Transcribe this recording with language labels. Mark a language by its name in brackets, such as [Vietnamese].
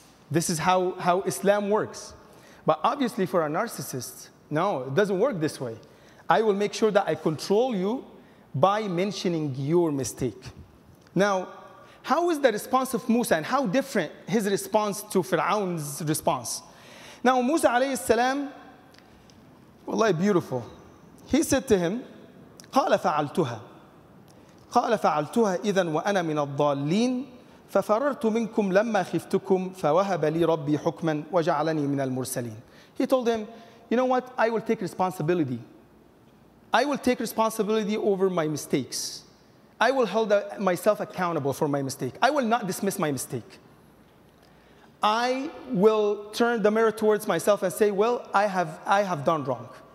[English] This is how Islam works. But obviously for a narcissist, no, it doesn't work this way. I will make sure that I control you by mentioning your mistake. Now, how is the response of Musa, and how different his response to Fir'aun's response? Now, Musa alayhi salam, wallahi, beautiful. He said to him, [Arabic] قال فعلتها قال فعلتها إذا وأنا من الضالين ففررت منكم لما خفتكم فوهب لي ربي حكما وجعلني من المرسلين. [English] He told him, you know what, I will take responsibility. I will take responsibility over my mistakes. I will hold myself accountable for my mistake. I will not dismiss my mistake. I will turn the mirror towards myself and say, well, I have done wrong.